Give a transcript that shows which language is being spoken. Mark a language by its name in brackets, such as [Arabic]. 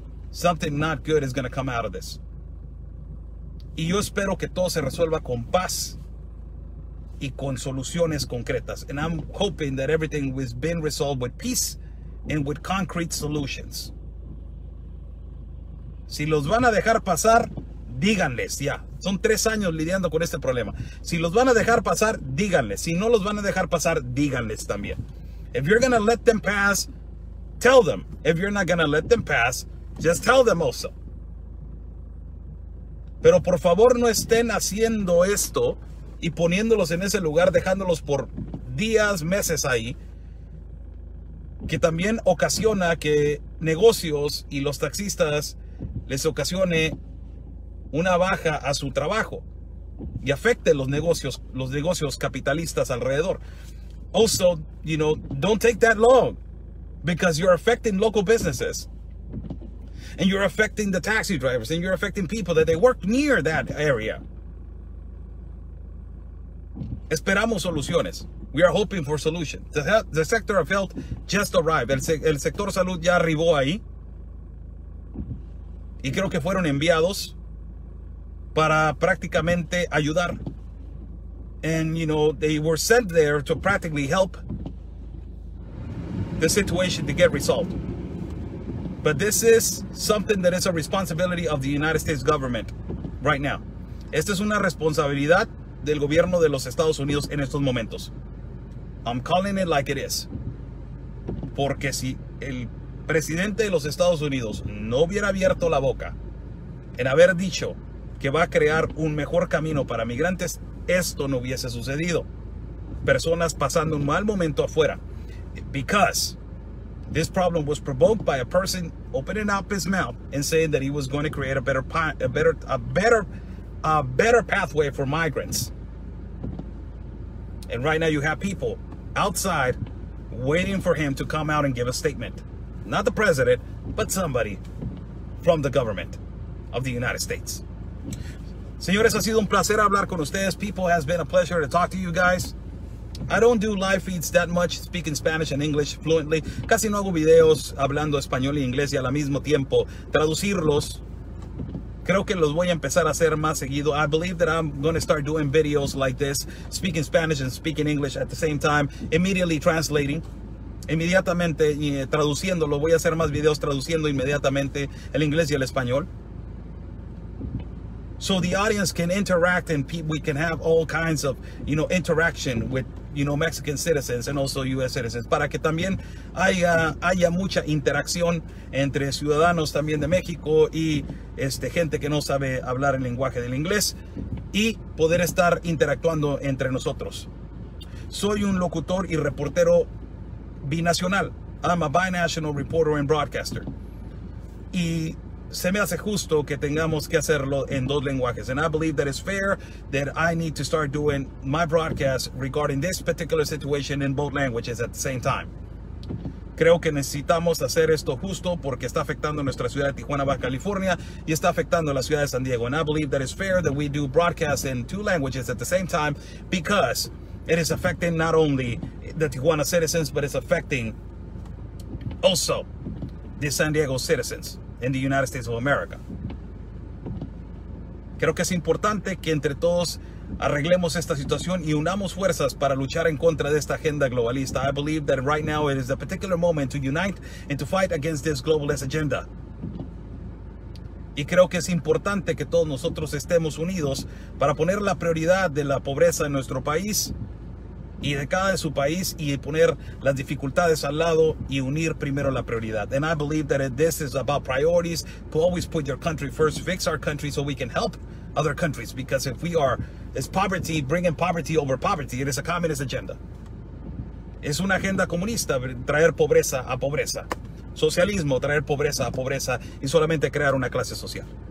[English] Something not good is going to come out of this. [Spanish] Y yo espero que todo se resuelva con paz y con soluciones concretas. [English] And I'm hoping that everything has been resolved with peace and with concrete solutions. [Spanish] Si los van a dejar pasar, díganles ya. Son 3 años lidiando con este problema. Si los van a dejar pasar, díganles. Si no los van a dejar pasar, díganles también. [English] If you're going to let them pass, tell them. If you're not going to let them pass, just tell them also. [Spanish] Pero por favor, no estén haciendo esto y poniéndolos en ese lugar, dejándolos por días, meses ahí, que también ocasiona que negocios y los taxistas les ocasione una baja a su trabajo y afecte los negocios capitalistas alrededor. [English] Also, you know, don't take that long because you're affecting local businesses. and you're affecting the taxi drivers, and you're affecting people that they work near that area. [Spanish] Esperamos soluciones. [English] We are hoping for solutions. The sector of health just arrived. [Spanish] El sector salud ya arribó ahí. Y creo que fueron enviados para prácticamente ayudar. [English] And, you know, they were sent there to practically help the situation to get resolved. But this is something that is a responsibility of the United States government right now. [Spanish] Esta es una responsabilidad del gobierno de los Estados Unidos en estos momentos. [English] I'm calling it like it is. [Spanish] Porque si el presidente de los Estados Unidos no hubiera abierto la boca en haber dicho que va a crear un mejor camino para migrantes, esto no hubiese sucedido. Personas pasando un mal momento afuera. [English] Because this problem was provoked by a person opening up his mouth and saying that he was going to create a better pathway for migrants. And right now you have people outside waiting for him to come out and give a statement. Not the president, but somebody from the government of the United States. [Spanish] Señores, ha sido un placer hablar con ustedes. [English] People, has been a pleasure to talk to you guys. I don't do live feeds that much, speaking Spanish and English fluently. [Spanish] Casi no hago videos hablando español y inglés y al mismo tiempo traducirlos. Creo que los voy a empezar a hacer más seguido. [English] I believe that I'm going to start doing videos like this, speaking Spanish and speaking English at the same time, immediately translating. [Spanish] Inmediatamente traduciendo. Lo voy a hacer más videos traduciendo inmediatamente el inglés y el español. [English] So the audience can interact and we can have all kinds of, you know, interaction with, you know, Mexican citizens and also U.S. citizens. [Spanish] Para que también haya mucha interacción entre ciudadanos también de México y gente que no sabe hablar el lenguaje del inglés y poder estar interactuando entre nosotros. Soy un locutor y reportero binacional. [English] I'm a binational reporter and broadcaster. [Spanish] Y se me hace justo que tengamos que hacerlo en dos lenguajes. [English] And I believe that it's fair that I need to start doing my broadcast regarding this particular situation in both languages at the same time. [Spanish] Creo que necesitamos hacer esto justo porque está afectando nuestra ciudad de Tijuana, Baja California, y está afectando la ciudad de San Diego. [English] And I believe that it's fair that we do broadcasts in two languages at the same time because it is affecting not only the Tijuana citizens, but it's affecting also the San Diego citizens in the United States of America. [Spanish] Creo que es importante que entre todos arreglemos esta situación y unamos fuerzas para luchar en contra de esta agenda globalista. [English] I believe that right now it is a particular moment to unite and to fight against this globalist agenda. [Spanish] Y creo que es importante que todos nosotros estemos unidos para poner la prioridad de la pobreza en nuestro país y de cada de su país y poner las dificultades al lado y unir primero la prioridad. [English] And I believe that this is about priorities, to always put your country first, fix our country so we can help other countries, because if we are, it's poverty, bringing poverty over poverty, it is a communist agenda. [Spanish] Es una agenda comunista, traer pobreza a pobreza. Socialismo, traer pobreza a pobreza y solamente crear una clase social.